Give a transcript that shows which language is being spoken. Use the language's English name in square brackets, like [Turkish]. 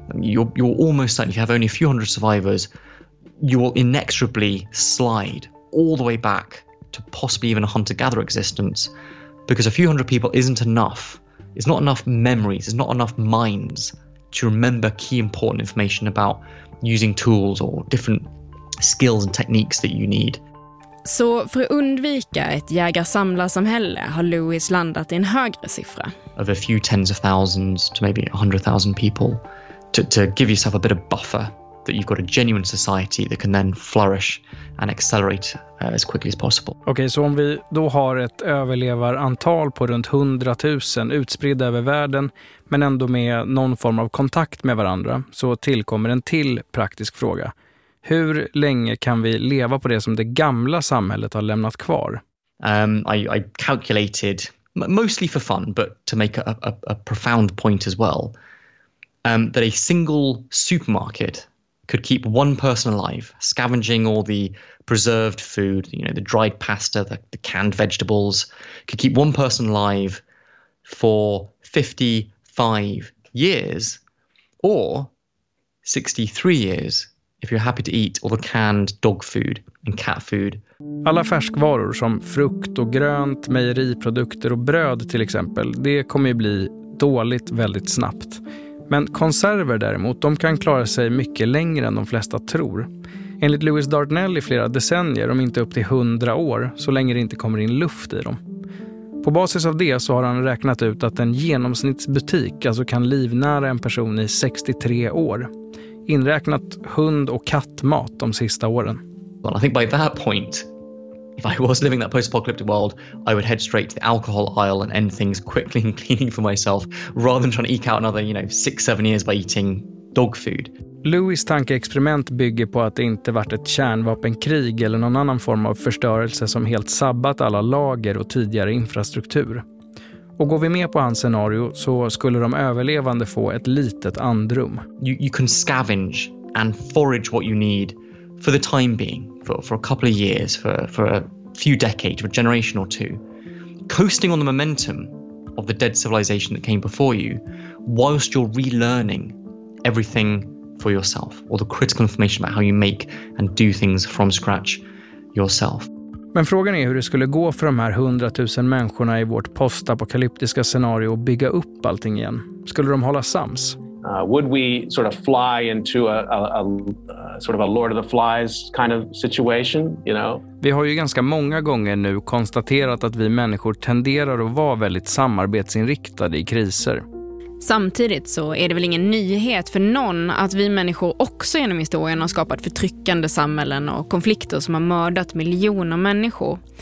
[English] I mean, you're almost certainly, if you have only a few hundred survivors, you will inexorably slide all the way back to possibly even a hunter-gatherer existence, because a few hundred people isn't enough. It's not enough memories, it's not enough minds to remember key important information about using tools or different skills and techniques that you need. [Swedish] Så för att undvika ett jägar-samlar-samhälle har Lewis landat i en högre siffra. [English] Of a few tens of thousands to maybe 100,000 people to give yourself a bit of buffer that you've got a genuine society that can then flourish and accelerate as quickly as possible. [Swedish] Okej, så om vi då har ett överlevarantal på runt 100,000 utspridda över världen men ändå med någon form av kontakt med varandra, så tillkommer en till praktisk fråga. Hur länge kan vi leva på det som det gamla samhället har lämnat kvar? [English] I calculated mostly for fun, but to make a profound point as well, that a single supermarket could keep one person alive, scavenging all the preserved food, you know, the dried pasta, the canned vegetables, could keep one person alive for 55 years or 63 years. If you're happy to eat all the canned dog food and cat food. [Swedish] Alla färskvaror som frukt och grönt, mejeriprodukter och bröd till exempel, det kommer ju bli dåligt väldigt snabbt. Men konserver däremot, de kan klara sig mycket längre än de flesta tror. Enligt Louis Dartnell i flera decennier, om inte upp till 100 år, så länge det inte kommer in luft i dem. På basis av det så har han räknat ut att en genomsnittsbutik alltså kan livnära en person i 63 år. Inräknat hund och kattmat de sista åren. [English] Well, I think by that point, if I was living that post-apocalyptic world, I would head straight to the alcohol aisle and end things quickly and cleaning for myself, rather than trying to eke out another, you know, 6-7 years by eating dog food. [Swedish] Louis tankeexperiment bygger på att det inte varit ett kärnvapenkrig eller någon annan form av förstörelse som helt sabbat alla lager och tidigare infrastruktur. Och går vi med på hans scenario så skulle de överlevande få ett litet andrum. [English] You can scavenge and forage what you need for the time being, for a couple of years, for a few decades, for a generation or two. Coasting on the momentum of the dead civilization that came before you, whilst you're relearning everything for yourself, all the critical information about how you make and do things from scratch yourself. [Swedish] Men frågan är hur det skulle gå för de här 100,000 människorna i vårt postapokalyptiska scenario att bygga upp allting igen. Skulle de hålla sams? [English] Would we sort of fly into a sort of a Lord of the Flies kind of situation, you know? [Swedish] Vi har ju ganska många gånger nu konstaterat att vi människor tenderar att vara väldigt samarbetsinriktade i kriser. Samtidigt så är det väl ingen nyhet för någon att vi människor också genom historien har skapat förtryckande samhällen och konflikter som har mördat miljoner människor.